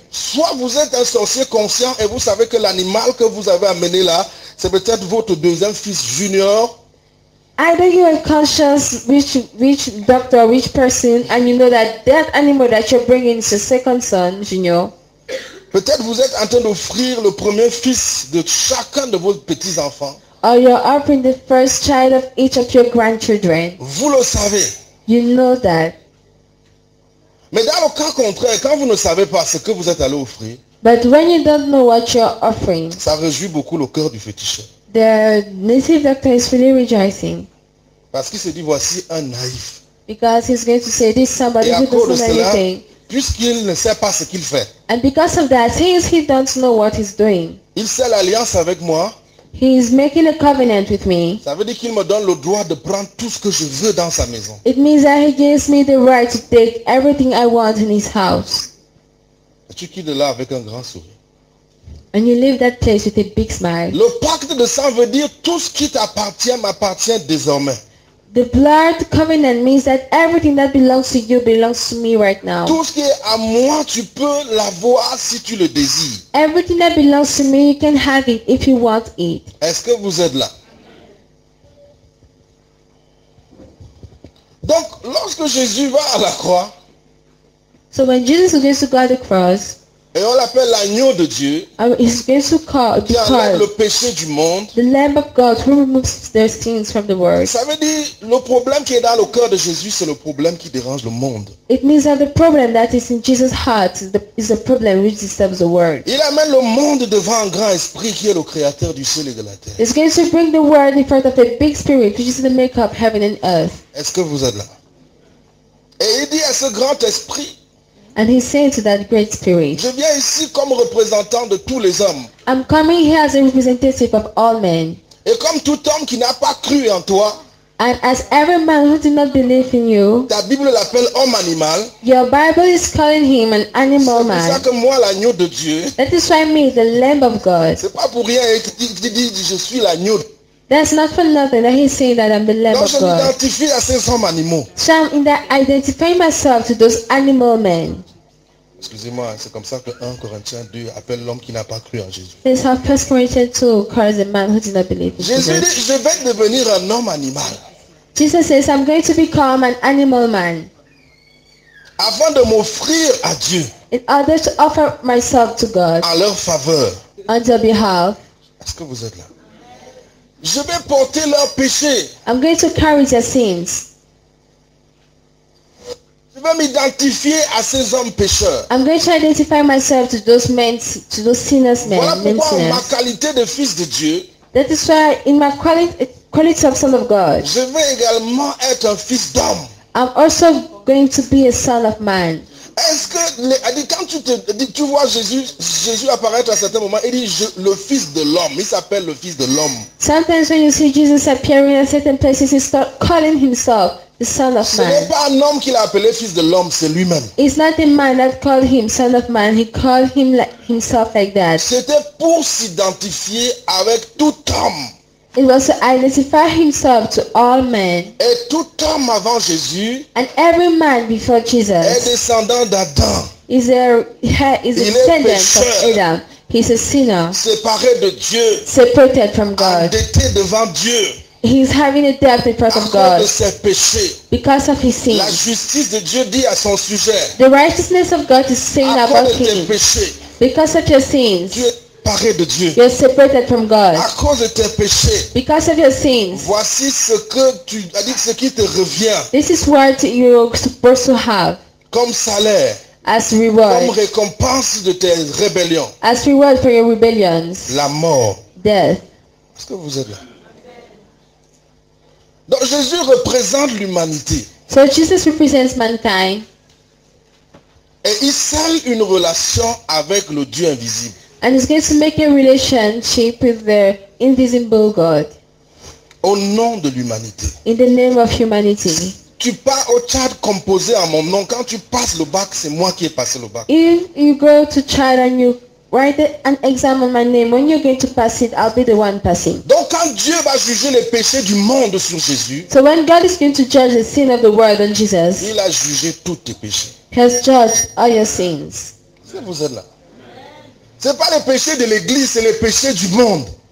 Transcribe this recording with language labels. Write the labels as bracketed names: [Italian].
[French] Soit vous êtes un sorcier conscient et vous savez que l'animal que vous avez amené là, c'est peut-être votre deuxième fils junior. [English] Either you are conscious which doctor, which person, and you know that that animal that you're bringing is your second son, junior. [French] Peut-être vous êtes en train d'offrir le premier fils de chacun de vos petits-enfants. [English] Or you're offering the first child of each of your grandchildren. [French] Vous le savez. [English] You know that. [French] Mais dans le cas contraire, quand vous ne savez pas ce que vous êtes allé offrir, [English] but when you don't know what you're offering, [French] ça réjouit beaucoup le cœur du féticheur. [English] The native doctor is really rejoicing. [French] Parce qu'il se dit, voici un naïf. [English] Because he's going to say, this is somebody [French] et [English] who doesn't know anything. [French] Puisqu'il ne sait pas ce qu'il fait. [English] And because of that, since he doesn't know what he's doing. [French] Il fait l'alliance avec moi. [English] He is making a covenant with me. [French] Ça veut dire qu'il me donne le droit de prendre tout ce que je veux dans sa maison. [English] It means that he gives me the right to take everything I want in his house. [French] Et tu quittes là avec un grand sourire. [English] And you leave that place with a big smile. [French] Le pacte de sang veut dire tout ce qui t'appartient m'appartient désormais. [English] The blood covenant means that everything that belongs to you belongs to me right now. [French] Tout ce qui est à moi, tu peux l'avoir si tu le désires. [English] Everything that belongs to me, you can have it if you want it. [French] Est-ce que vous êtes là? Donc, lorsque Jésus va à la croix, [English] so when Jesus goes to go to the cross, [French] et on l'appelle l'agneau de Dieu. [English] He's going to call, [French] qui enlève le péché du monde. [English] The Lamb of God who removes their sins from the world. [French] Ça veut dire le problème qui est dans le cœur de Jésus, c'est le problème qui dérange le monde. [English] It means that the problem that is in Jesus' heart is the problem which disturbs the world. [French] Il amène le monde devant un grand esprit qui est le créateur du ciel et de la terre. [English] He's going to bring the world in front of a big spirit which is the maker of heaven and earth. [French] Est-ce que vous êtes là? Et il dit à ce grand esprit. [English] And he's saying to that great spirit, [French] je viens ici comme représentant de tous les hommes. [English] I'm coming here as a representative of all men. [French] Et comme tout homme qui n'a pas cru en toi. [English] And as every man who did not believe in you. [French] Ta Bible l'appelle homme animal. [English] Your Bible is calling him an animal man. [French] C'est pour ça que moi l'agneau de Dieu. [English] That is why me, the Lamb of God. [French] C'est pas pour rien qu'il dit je suis l'agneau. [English] That's not for nothing that he's saying that I'm the Lamb [French] donc, [English] of God. [French] Je m'identifie à ces hommes animaux. [English] So I'm in that identifying myself to those animal men. [French] Excusez-moi, c'est comme ça que 1 Corinthiens 2 appelle l'homme qui n'a pas cru en Jésus. [English] That's how 1 Corinthians 2 calls the man who did not believe in Jesus. [French] Jésus dit, je vais devenir un homme animal. [English] Jesus says, I'm going to become an animal man. [French] Avant de m'offrir à Dieu. [English] In order to offer myself to God. [French] En leur faveur. [English] On their behalf. [French] Est-ce que vous êtes là? Je vais porter leurs péchés. [English] I'm going to carry their sins. [French] Je vais m'identifier à ces hommes pécheurs. [English] I'm going to identify myself to those men, to those sinners men. [French] Voilà pourquoi en ma qualité de fils de Dieu. [English] That is why in my quality of son of God. [French] Je vais également être un fils d'homme. [English] I'm also going to be a son of man. [French] Est-ce que elle dit, quand tu vois Jésus apparaître à certains moments, il dit le fils de l'homme. Il s'appelle le fils de l'homme. [English] Sometimes when you see Jesus appearing at certain places, he start calling himself the son of man. [French] Ce n'est pas un homme qui l'a appelé fils de l'homme, c'est lui-même. [English] It's not a man that called him son of man. He called him himself like that. [French] C'était pour s'identifier avec tout homme. [English] It was to identify himself to all men. [French] Et tout homme avant Jésus. [English] And every man before Jesus. [French] Est descendant d'Adam. [English] Is a descendant of Adam. He's a sinner. [French] Séparé de Dieu. [English] Separated from God. [French] Endetté devant Dieu. [English] He's having a debt in front of God. [French] À cause de ses péchés. [English] Because of his sins. [French] La justice de Dieu dit à son sujet. [English] The righteousness of God is saying about him. [French] À cause de tes péchés. [English] Because of your sins. [French] Séparé de Dieu. [English] You're separated from God. [French] À cause de tes péchés. [English] Because of your sins. [French] Voici ce que tu as dit, ce qui te revient. [English] This is what you're supposed to have. [French] Comme salaire. [English] As reward. [French] Comme récompense de tes rébellions. [English] As reward for your rebellions. [French] La mort. [English] Death. [French] Est-ce que vous êtes là? Donc Jésus représente l'humanité. [English] So Jesus represents mankind. [French] Et il scelle une relation avec le Dieu invisible. [English] And he's going to make a relationship with the invisible God. [French] Au nom de l'humanité. [English] In the name of humanity. [French] Tu pars au Tchad composé à mon nom. Quand tu passes le bac, c'est moi qui ai passé le bac. [English] If you go to Tchad and you write an exam on my name, when you're going to pass it, I'll be the one passing. [French] Donc quand Dieu va juger les péchés du monde sur Jésus. [English] So when God is going to judge the sin of the world on Jesus. [French] Il a jugé tous tes péchés. [English] He has judged all your sins. [French] Si vous êtes là. Ce n'est pas les péchés de l'église, c'est les péchés du monde.